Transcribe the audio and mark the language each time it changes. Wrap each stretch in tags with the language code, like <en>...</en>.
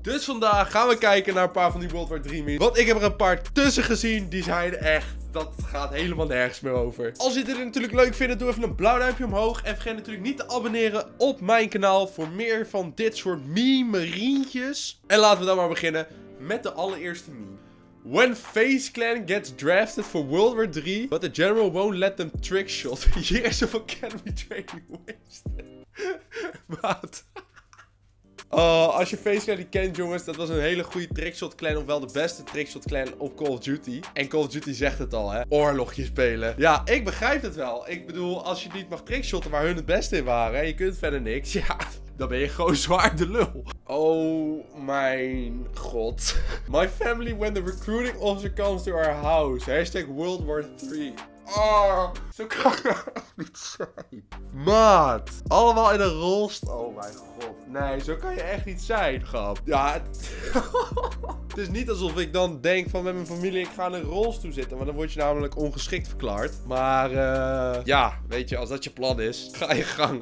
<nl>Dus vandaag gaan we kijken naar een paar van die World War 3 memes. Want ik heb er een paar tussen gezien die zeiden echt, dat gaat helemaal nergens meer over. Als je dit natuurlijk leuk vindt, doe even een blauw duimpje omhoog. En vergeet natuurlijk niet te abonneren op mijn kanaal voor meer van dit soort meme-rientjes. En laten we dan maar beginnen met de allereerste meme.</nl> <en>When FaZe Clan gets drafted for World War 3, but the general won't let them trickshot. Years of academy training wasted. Wat?</en> <nl>Als je FaZe Clan kent, jongens, dat was een hele goede trickshot clan, of wel de beste trickshot clan op Call of Duty. En Call of Duty zegt het al, hè. Oorlogje spelen. Ja, ik begrijp het wel. Ik bedoel, als je niet mag trickshotten waar hun het beste in waren, hè, je kunt verder niks, ja, dan ben je gewoon zwaar de lul. Oh mijn god.</nl> <en>My family when the recruiting officer comes to our house.</en> <nl>Hashtag World War 3. Oh, zo kan het niet zijn. Maat, allemaal in een rolstoel. Oh mijn god. Nee, zo kan je echt niet zijn, grap. Ja, het is niet alsof ik dan denk van met mijn familie, ik ga in een rolstoel zitten. Want dan word je namelijk ongeschikt verklaard. Maar ja, weet je, als dat je plan is, ga je gang.</nl>